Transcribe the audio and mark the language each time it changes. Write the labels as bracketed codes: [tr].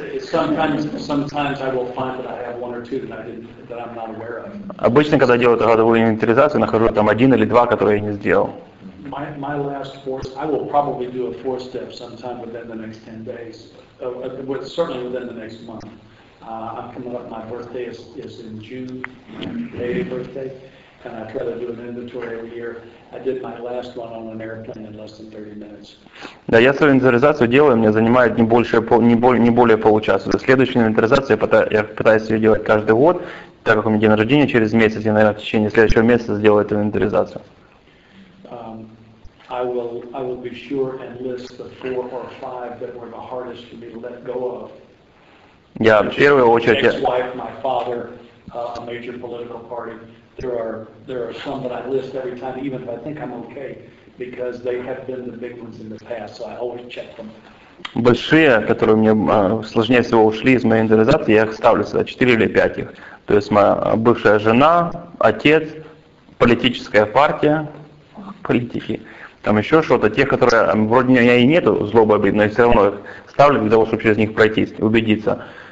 [en] Sometimes I will find that I have one or two that I'm not aware of. [ru] Обычно, когда делаю годовую инвентаризацию, нахожу там один или два, которые я не сделал. [en] My last four, I will probably do a four step sometime within the next 10 days, certainly within the next month. I'm coming up, my birthday is in June, May birthday, and I try to do an inventory every year. I did my last one on an airplane in less than 30 minutes. [ru] Да, я свою инвентаризацию делаю, мне занимает не более получаса. Следующая инвентаризация, я пытаюсь ее делать каждый год, так как у меня день рождения через месяц, я, наверное, в течение следующего месяца сделаю эту инвентаризацию. [en] I will be sure and list the four or five that were the hardest for me to let go of. Yeah, in the first place, my ex-wife, my father, a major political party. There are some that I list every time, even if I think I'm okay, because they have been the big ones in the past, so I always check them. [ru] Большие, которые мне сложнее всего ушли из моей индивидуализации, я их ставлю сюда, 4 или 5 их. То есть моя бывшая жена, отец, политическая партия, политики. Там еще что-то, те, которые вроде у меня и нету злобы обид, но я все равно их ставлю для того, чтобы через них пройтись, убедиться.